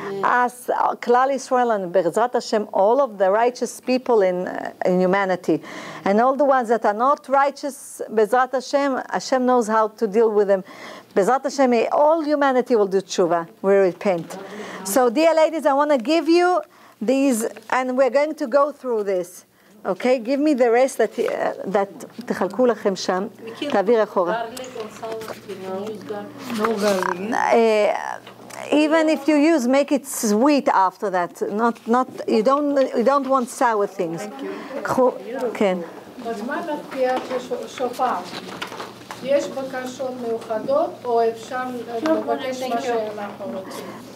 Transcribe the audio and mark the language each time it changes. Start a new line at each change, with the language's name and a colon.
English: As Klal Yisrael and Bezrat Hashem, all of the righteous people in humanity, and all the ones that are not righteous, Bezrat Hashem, Hashem knows how to deal with them. Bezrat Hashem, all humanity will do tshuva, we repent. So, dear ladies, I want to give you these, and we're going to go through this. Okay, give me the rest that
Hebrew: תחלקו לכם שם, תעביר אחורה.
English: Even if you use, make it sweet after that. Not you don't want sour things. Thank you.
Hebrew: כן. בזמן התפיעת שופר, יש בקשות מיוחדות או אפשר לבקש מה שאנחנו רוצים?